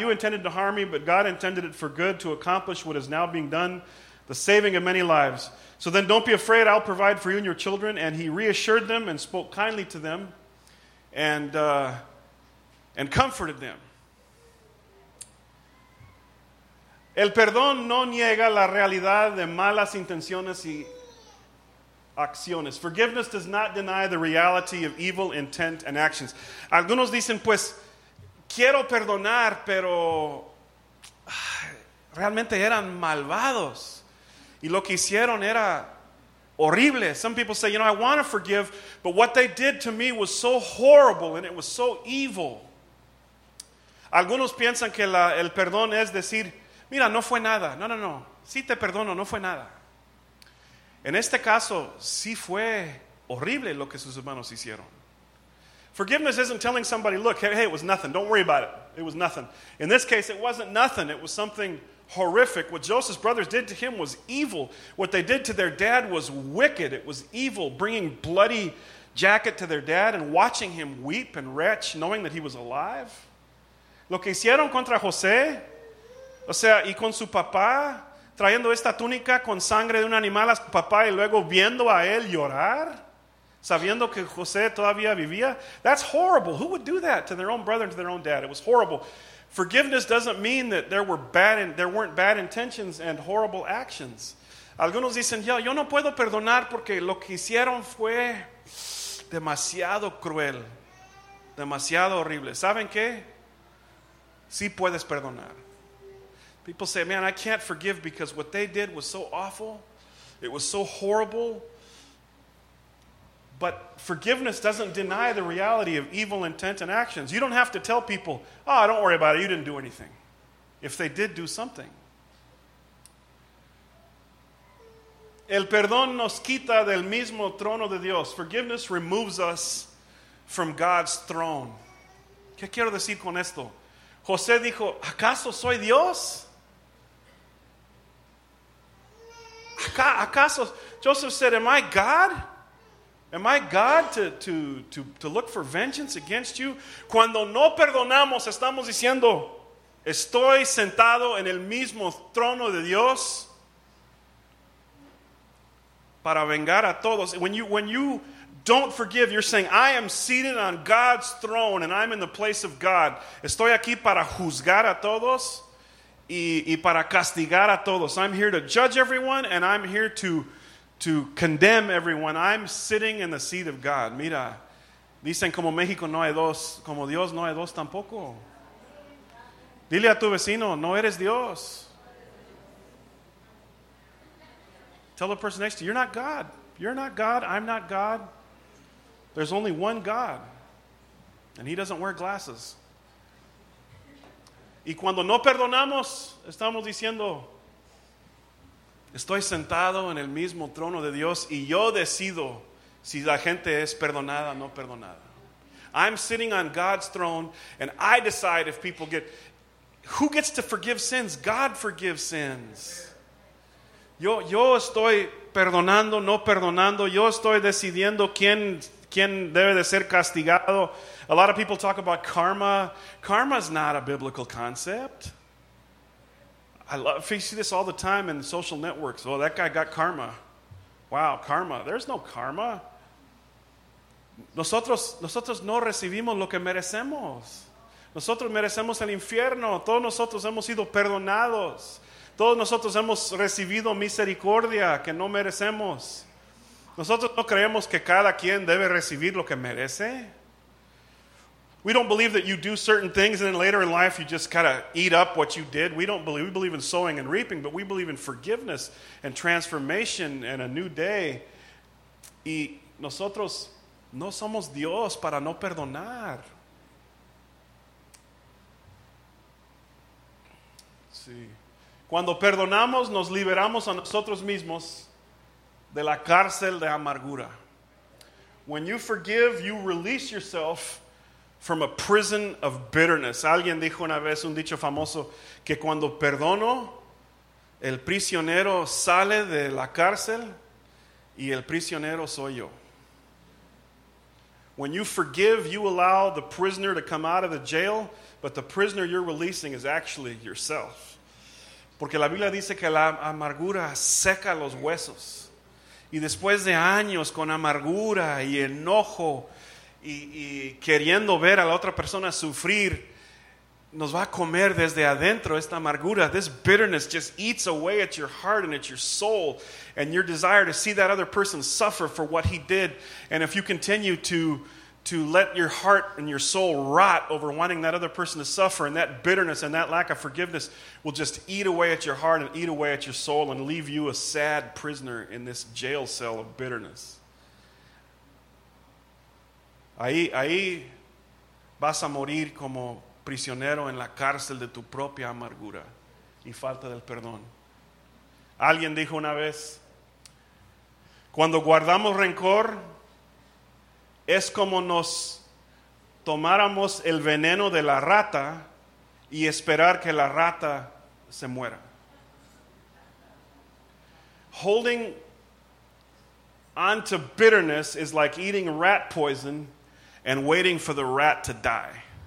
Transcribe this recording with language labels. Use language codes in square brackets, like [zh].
[en] You intended to harm me, but God intended it for good to accomplish what is now being done, the saving of many lives. So then don't be afraid. I'll provide for you and your children. And he reassured them and spoke kindly to them and comforted them. [es] El perdón no niega la realidad de malas intenciones y acciones. [en] Forgiveness does not deny the reality of evil intent and actions. [es] Algunos dicen, pues, quiero perdonar, pero realmente eran malvados. Y lo que hicieron era horrible. [en] Some people say, you know, I want to forgive, but what they did to me was so horrible and it was so evil. [es] Algunos piensan que el perdón es decir, mira, no fue nada. No, no, no. Sí te perdono, no fue nada. En este caso, sí fue horrible lo que sus hermanos hicieron. [en] Forgiveness isn't telling somebody, look, hey, it was nothing. Don't worry about it. It was nothing. In this case, it wasn't nothing. It was something horrific. What Joseph's brothers did to him was evil. What they did to their dad was wicked. It was evil, bringing bloody jacket to their dad and watching him weep and retch, knowing that he was alive. [es] Lo que hicieron contra José, o sea, y con su papá, trayendo esta túnica con sangre de un animal a su papá y luego viendo a él llorar, sabiendo que José todavía vivía. [en] That's horrible. Who would do that to their own brother and to their own dad? It was horrible. Forgiveness doesn't mean that there weren't bad intentions and horrible actions. [es] Algunos dicen, yo no puedo perdonar porque lo que hicieron fue demasiado cruel, demasiado horrible. ¿Saben qué? Sí puedes perdonar. [en] People say, man, I can't forgive because what they did was so awful. It was so horrible. But forgiveness doesn't deny the reality of evil intent and actions. You don't have to tell people, oh, don't worry about it, you didn't do anything. If they did do something. [es] El perdón nos quita del mismo trono de Dios. [en] Forgiveness removes us from God's throne. [es] ¿Qué quiero decir con esto? José dijo, ¿acaso soy Dios? ¿Acaso? [en] Joseph said, am I God? Am I God to look for vengeance against you? [es] Cuando no perdonamos, estamos diciendo, estoy sentado en el mismo trono de Dios para vengar a todos. [en] When you don't forgive, you're saying, I am seated on God's throne and I'm in the place of God. [es] Estoy aquí para juzgar a todos y para castigar a todos. [en] I'm here to judge everyone and I'm here to to condemn everyone. I'm sitting in the seat of God. [es] Mira, dicen como México no hay dos, como Dios no hay dos tampoco. Dile a tu vecino, no eres Dios. [en] Tell the person next to you, you're not God. You're not God. I'm not God. There's only one God. And he doesn't wear glasses. [es] Y cuando no perdonamos, estamos diciendo, estoy sentado en el mismo trono de Dios y yo decido si la gente es perdonada o no perdonada. [en] I'm sitting on God's throne and I decide if people get... Who gets to forgive sins? God forgives sins. [es] Yo estoy perdonando, no perdonando. Yo estoy decidiendo quién debe de ser castigado. [en] A lot of people talk about karma. Karma is not a biblical concept. I see this all the time in social networks. Oh, that guy got karma. Wow, karma. There's no karma. [es] Nosotros no recibimos lo que merecemos. Nosotros merecemos el infierno. Todos nosotros hemos sido perdonados. Todos nosotros hemos recibido misericordia que no merecemos. Nosotros no creemos que cada quien debe recibir lo que merece. [en] We don't believe that you do certain things and then later in life you just kind of eat up what you did. We don't believe. We believe in sowing and reaping, but we believe in forgiveness and transformation and a new day. [es] Y nosotros no somos Dios para no perdonar. Sí. Cuando perdonamos, nos liberamos a nosotros mismos de la cárcel de amargura. [en] When you forgive, you release yourself from a prison of bitterness. [es] Alguien dijo una vez, un dicho famoso, que cuando perdono, el prisionero sale de la cárcel y el prisionero soy yo. [en] When you forgive, you allow the prisoner to come out of the jail, but the prisoner you're releasing is actually yourself. [es] Porque la Biblia dice que la amargura seca los huesos. Y después de años con amargura y enojo, y queriendo ver a la otra persona sufrir, nos va a comer desde adentro esta amargura. [en] This bitterness just eats away at your heart and at your soul and your desire to see that other person suffer for what he did. And if you continue to let your heart and your soul rot over wanting that other person to suffer, and that bitterness and that lack of forgiveness will just eat away at your heart and eat away at your soul and leave you a sad prisoner in this jail cell of bitterness. [es] Ahí vas a morir como prisionero en la cárcel de tu propia amargura y falta del perdón. Alguien dijo una vez, cuando guardamos rencor, es como nos tomáramos el veneno de la rata y esperar que la rata se muera. [en] Holding onto bitterness is like eating rat poison and waiting for the rat to die.